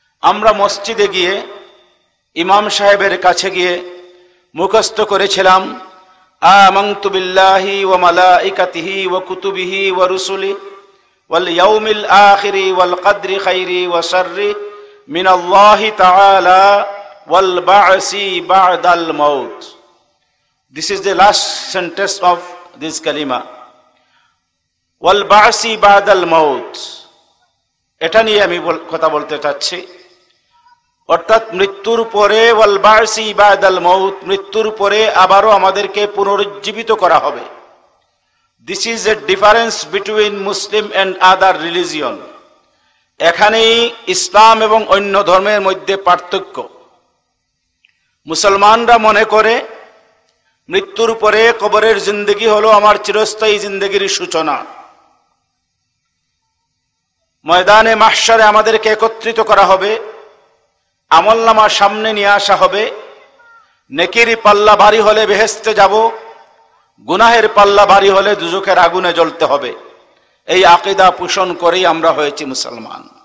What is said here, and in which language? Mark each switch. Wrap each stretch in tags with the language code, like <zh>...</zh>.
<bn>আমরা মসজিদে গিয়ে ইমাম সাহেবের কাছে গিয়ে মুখস্থ করেছিলাম</bn> <ar>আমানতু বিল্লাহি ওয়া মালাইকাতিহি ওয়া কুতুবিহি ওয়া রুসুলি واليوم الاخر والقدر خيري وشري من الله تعالى والبعث بعد الموت.</ar> <en>This is the last sentence of this kalima.</en> <ar>والبعث بعد الموت.</ar> <bn>এটা নিয়ে আমি কথা বলতে চাচ্ছি। অর্থাৎ মৃত্যুর পরে</bn> <ar>والبعث بعد الموت,</ar> <bn>মৃত্যুর পরে আবারো আমাদেরকে পুনরুজ্জীবিত করা হবে।</bn> <en>This is a difference between Muslim and other religion.</en> <bn>এখানেই ইসলাম এবং অন্য ধর্মের মধ্যে পার্থক্য। মুসলমানরা মনে করে মৃত্যুর পরে কবরের জিন্দেগি হলো আমার চিরস্থায়ী জিন্দেগির সূচনা, ময়দানে মাহশারে আমাদেরকে একত্রিত করা হবে, আমলনামা সামনে নিয়ে আসা হবে, নেকির পাল্লা ভারী হলে বেহেস্তে যাব, গুনাহের পাল্লা ভারী হলে দুজকের আগুনে জ্বলতে হবে, এই আকীদা পোষণ করেই আমরা হয়েছি মুসলমান।</bn>